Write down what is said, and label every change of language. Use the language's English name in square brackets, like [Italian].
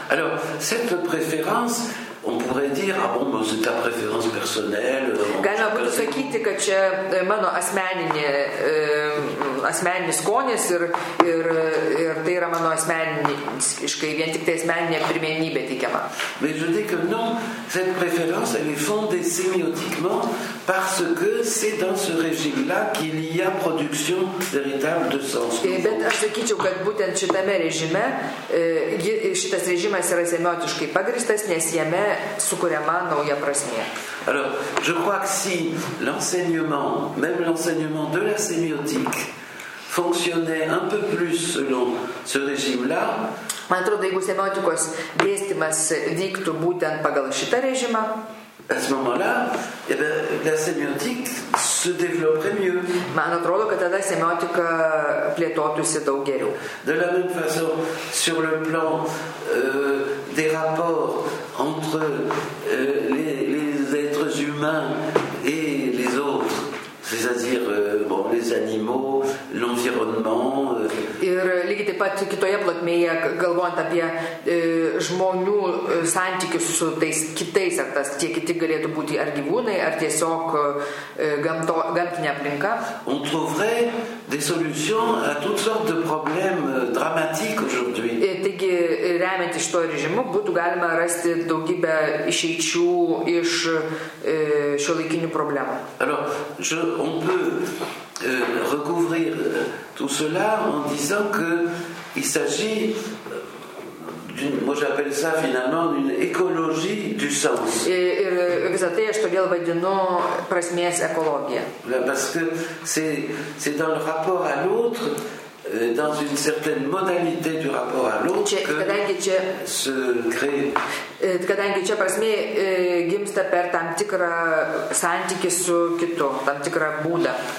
[French] Alors, cette préférence, on pourrait dire, ah bon, c'est ta préférence personnelle. [Lithuanian] Galima būtų sakyti, kad čia mano asmeninis skonis ir tai yra mano asmeninė pirmenybė teikiama. [French] Mais je dis que non, cette préférence, elle est fondée sémiotiquement parce que c'est dans ce régime-là qu'il y a production véritable de sens. [Lithuanian] Bet aš sakyčiau, kad būtent šitame režime, šitas režimas yra semiotiškai pagristas, nes jame sukuriama nauja prasmė. [French] Alors, je crois que si l'enseignement, même l'enseignement de la sémiotique, fonctionnait un peu plus selon ce régime-là, [Lithuanian] man atrodo, jeigu semiotikos dėstymas vyktų būtent pagal šitą režimą, [French] à ce moment-là, eh bien, la sémiotique se développerait mieux. [Lithuanian] Man atrodo, kad tada semiotika plėtotųsi daug geriau. [French] De la même façon, sur le plan des rapports entre les êtres humains et les autres, c'est-à-dire bon, les animaux, l'environnement. [Lithuanian] Ir lygiai taip pat kitoje plotmėje, galvojant apie žmonių santykius su tais kitais, ar tas tie kiti galėtų būti ar gyvūnai, ar tiesiog gamtinė aplinka. [French] On trouverait des solutions à toutes sortes de problèmes dramatiques aujourd'hui. [Lithuanian] Taigi, remiant iš to režimu, būtų galima rasti daugybę išeičių iš šiuolaikinių problemų. [French] Alors, on peut recouvrir tout cela en disant que il s'agit d'une, moi j'appelle ça finalement une écologie du sens. [Lithuanian] Et visa tai aš todėl vadinu prasmės ekologija. [French] Parce que c'est dans le rapport à l'autre, dans une certaine modalité du rapport à l'autre, [Lithuanian] kadangi čia, [French] se crée. [Lithuanian] Kadangi čia prasmė gimsta per tam tikrą santykį su kitu, tam tikrą būdą.